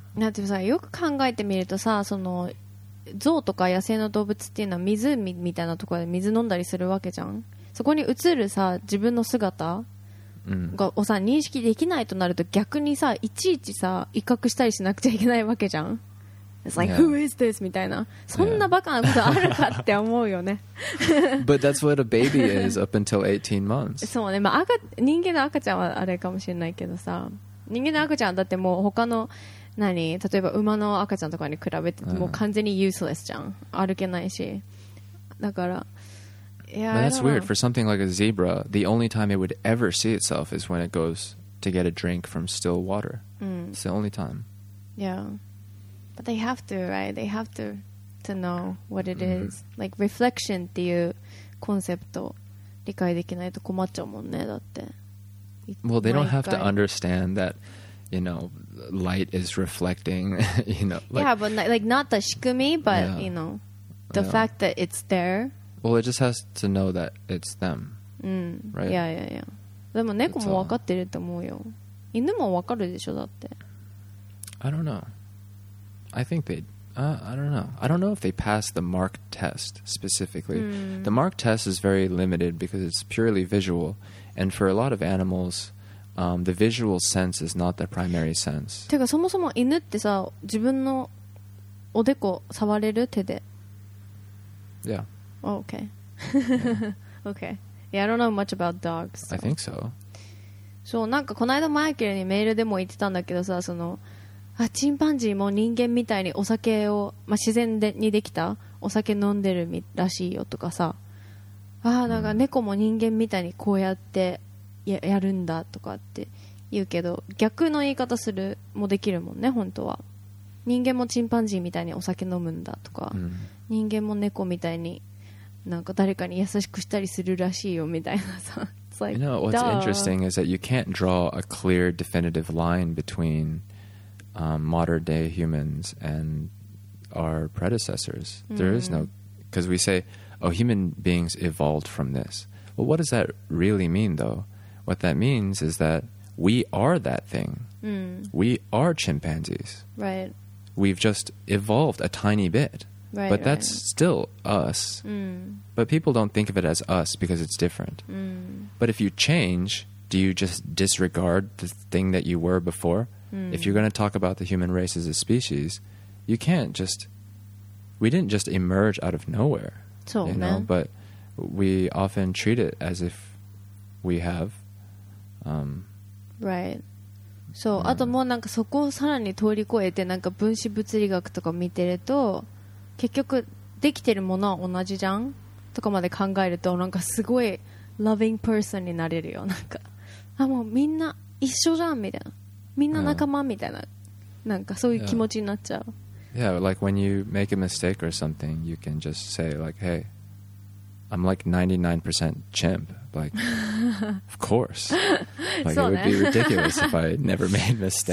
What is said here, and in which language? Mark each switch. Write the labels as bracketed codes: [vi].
[ja] でもさ、よく考えてみるとさ、その象とか野生の動物っていうのは湖みたいなところで水飲んだりするわけじゃん。そこに映るさ、自分の姿がをさ認識できないとなると逆にさ、いちいちさ威嚇したりしなくちゃいけないわけじゃん。 [en] It's like, who is this? [ja] みたいな。そんなバカなことあるかって思うよね。 [en] But that's what a baby is up until 18 months. [ja] そうね。まあ、人間の赤ちゃんはあれかもしれないけどさ。人間の赤ちゃんだってもう他の、何、例えば馬の赤ちゃんとかに比べてもう完全に useless じゃん。歩けないし。だから。 [en] Yeah, but that's weird. For something like a zebra, the only time it would ever see itself is when it goes to get a drink from still water. It's the only time. Yeah. But they have to, right? They have to know what it is. Mm-hmm. [ja] Like reflection っていうコンセプトを理解できないと困っちゃうもんね、だって。 [en] Well, they don't have to understand that, you know, light is reflecting, you know. Like, yeah, but like not the 仕組み, but, yeah, you know, the fact that it's there. Well, it just has to know that it's them, right? Yeah, yeah, yeah. [ja] でも猫もわかってると思うよ。犬もわかるでしょ、だって。 [en] I don't know. I think they, I don't know. I don't know if they pass the mark test specifically. The mark test is very limited because it's purely visual. And for a lot of animals, the visual sense is not the primary sense. [ja] てかそもそも犬ってさ、自分のおでこ触れる手で? [en] Yeah. Oh, okay. okay. Yeah, I don't know much about dogs. So. I think so. [ja] そう、なんかこの間マイケルにメールでも言ってたんだけどさ、そのあチンパンジーも人間みたいにお酒を、まあ、自然でにできたお酒飲んでるらしいよとかさあなんか猫も人間みたいにこうやって やるんだとかって言うけど逆の言い方するもできるもんね本当は人間もチンパンジーみたいにお酒飲むんだとか、人間も猫みたいになんか誰かに優しくしたりするらしいよみたいなさ [en] It's like, You know, what's interesting is that you can't draw a clear definitive line betweenmodern day humans and our predecessors. There is no, because we say, oh, human beings evolved from this. Well, what does that really mean, though? What that means is that we are that thing. We are chimpanzees. Right. We've just evolved a tiny bit. Right, but that's right. still us. But people don't think of it as us because it's different. But if you change, do you just disregard the thing that you were before? If you're going to talk about the human race as a species, you can't just... We didn't just emerge out of nowhere, so, you know? Man. But we often treat it as if we have. Right. [ja] So, あともうなんかそこをさらに通り越えてなんか分子物理学とか見てると結局できてるものは同じじゃんとかまで考えるとなんかすごい [en] loving person [ja] になれるよなんかあもうみんな一緒じゃんみたいなみんな仲間みたいな、なんかそういう気持ちになっちゃう。 [en] Yeah, like when you make a mistake or something, you can just say like, hey, I'm like 99% chimp. Like, of course. Like, it would be ridiculous if I never made mistakes.